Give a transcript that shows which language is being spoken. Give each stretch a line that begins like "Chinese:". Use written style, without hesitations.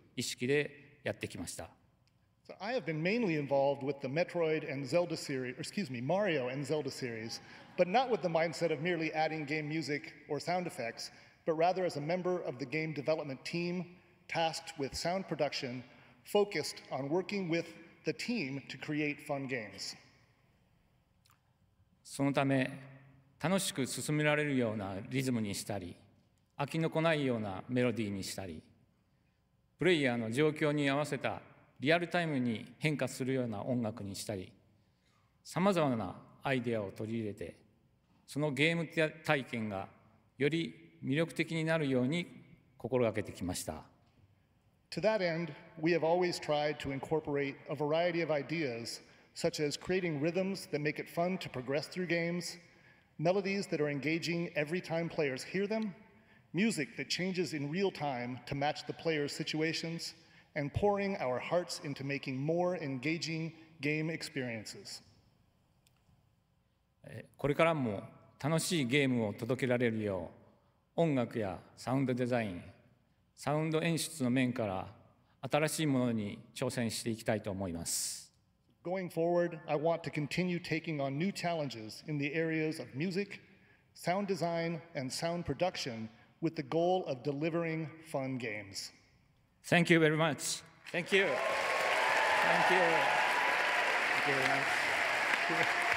Japanese: 意識でやってきました。
English: So I have been mainly involved with the Metroid and Zelda series, or excuse me, Mario and Zelda series, but not with the mindset of merely adding game music or sound effects, but rather as a member of the game development team tasked with sound production, focused on working with the team to create fun games.
Japanese: そのため、楽しく進められるようなリズムにしたり、飽きのこないようなメロディーにしたり、プレイヤーの状況に合わせたリアルタイムに変化するような音楽にしたり、さまざまなアイデアを取り入れて、そのゲーム体験がより魅力的になるように心がけてきました。
English: To that end, we have always tried to incorporate a variety of ideas, such as creating rhythms that make it fun to progress through games, melodies that are engaging every time players hear them,music that changes in real time to match the player's situations, and pouring our hearts into making more engaging game experiences.
Japanese: これからも楽しいゲームを届けられるよう、音楽やサウンドデザイン、サウンド演出の面から新しいものに挑戦していきたいと思います。
English: Going forward, I want to continue taking on new challenges in the areas of music, sound design, and sound production,with the goal of delivering fun games. Thank you very much. Thank you. Thank you. Thank you very much.